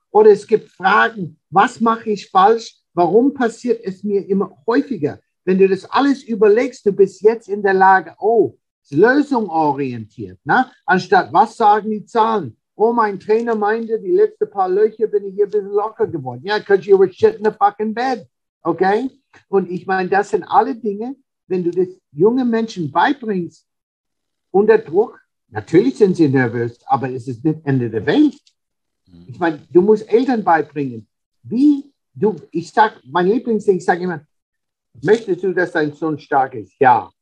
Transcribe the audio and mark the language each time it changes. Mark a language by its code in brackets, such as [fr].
[de] Oder es gibt Fragen, was mache ich falsch? Warum passiert es mir immer häufiger? Wenn du das alles überlegst, du bist jetzt in der Lage, lösungsorientiert, ne? Anstatt was sagen die Zahlen? Oh, mein Trainer meinte, die letzten paar Löcher bin ich hier ein bisschen locker geworden. [en] Yeah, because you were shit in the fucking bed. Okay? [de] Und ich meine, das sind alle Dinge, wenn du das jungen Menschen beibringst, unter Druck, natürlich sind sie nervös, aber es ist nicht Ende der Welt. Ich meine, du musst Eltern beibringen. Wie du, ich sag, mein Lieblingsding, ich sage immer, möchtest du, dass dein Sohn stark ist? Ja.